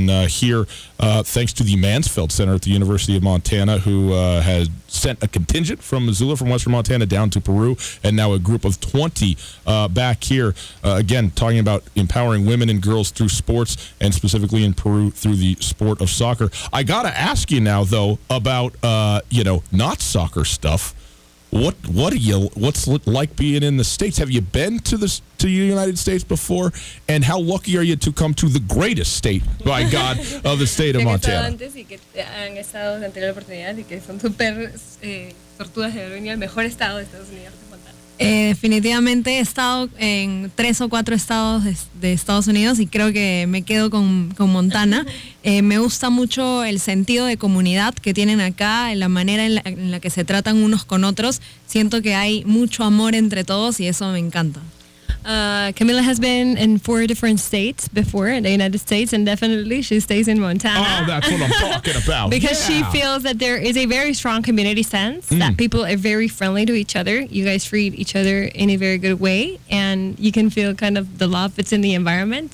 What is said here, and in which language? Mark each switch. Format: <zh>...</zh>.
<en>And here, thanks to the Mansfield Center at the University of Montana, who has sent a contingent from Missoula, from Western Montana, down to Peru, and now a group of 20 back here, again, talking about empowering women and girls through sports, and specifically in Peru through the sport of soccer. I got to ask you now, though, about, not soccer stuff. What's it like being in the States? Have you been to the United States before? And how lucky are you to come to the greatest state, by God, of the state of Montana?</en> <es>Que antes y que han estado en anterior oportunidad y que son super tortugas de Berlín, el mejor estado de Estados Unidos. Definitivamente he estado en 3 o 4 estados de Estados Unidos y creo que me quedo con Montana. Me gusta mucho el sentido de comunidad que tienen acá, la manera en la que se tratan unos con otros. Siento que hay mucho amor entre todos y eso me encanta.</es> <en>Camila has been in 4 different states before in the United States, and definitely she stays in Montana. Oh, that's what I'm talking about. Because she feels that there is a very strong community sense, that people are very friendly to each other. You guys treat each other in a very good way, and you can feel kind of the love that's in the environment.</en>